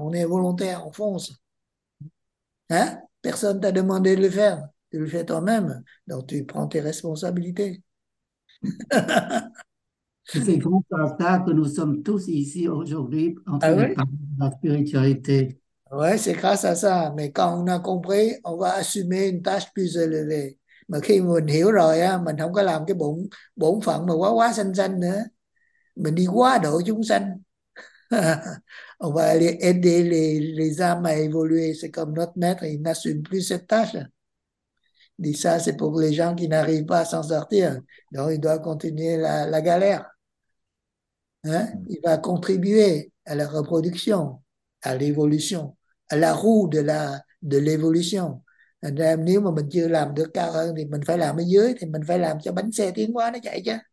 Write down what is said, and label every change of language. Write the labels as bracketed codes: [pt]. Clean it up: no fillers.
[fr] On est volontaires, on fonce. Hein? Personne t'a demandé de le faire. Tu le fais toi-même. Donc tu prends tes responsabilités. Ah C'est grâce à ça que nous sommes tous ici aujourd'hui en train de ouais? parler de la spiritualité. Oui, c'est grâce à ça. Mais quand on a compris, on va assumer une tâche plus élevée. [vi] Mà khi mình hiểu rồi, á, mình không có làm cái bổn bổn phận mà quá quá sanh sanh nữa. Mình đi quá độ chúng sanh. [fr] On va aider les âmes à évoluer. C'est comme notre maître, il n'assume plus cette tâche. Dit ça, c'est pour les gens qui n'arrivent pas à s'en sortir. Donc, ils doivent continuer la galère. Hein? Il va contribuer à la reproduction, à l'évolution, à la roue de l'évolution. [vi] Nếu mà mình chưa làm được cao hơn thì mình phải làm ở dưới, thì mình phải làm cho bánh xe tiến qua nó chạy chứ.